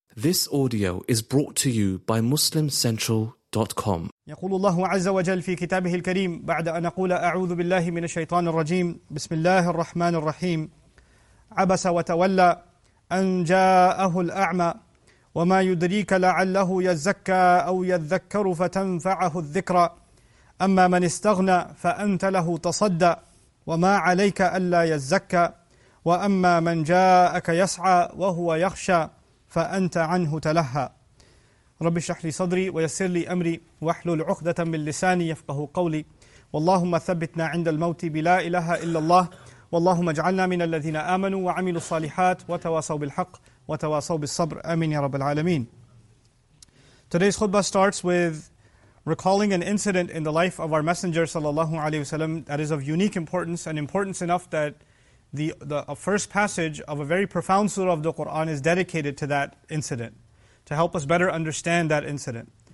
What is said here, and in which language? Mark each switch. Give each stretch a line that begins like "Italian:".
English: This audio is brought to you by MuslimCentral.com.
Arabic: يقول الله عز وجل في كتابه الكريم بعد أن أقول أعوذ بالله من الشيطان الرجيم بسم الله الرحمن الرحيم عبس وتولى أن جاءه الأعمى وما يدريك لعله يزكى أو يذكر فتنفعه الذكرى أما من استغنى فأنت له تصدى وما عليك ألا يزكى وأما من جاءك يسعى وهو يخشى فأنت عنه تلهى رب اشرح لي صدري ويسر لي أمري واحلل عقدة من لساني يفقه قولي واللهم ثبتنا عند الموت بلا إله إلا الله واللهم اجعلنا من الذين آمنوا وعملوا الصالحات وتواصوا بالحق وتواصوا بالصبر آمين يا رب العالمين.
English: Today's khutbah starts with recalling an incident in the life of our messenger sallallahu alayhi wasallam that is of unique importance and importance enough that the first passage of a very profound surah of the Qur'an is dedicated to that incident, to help us better understand that incident.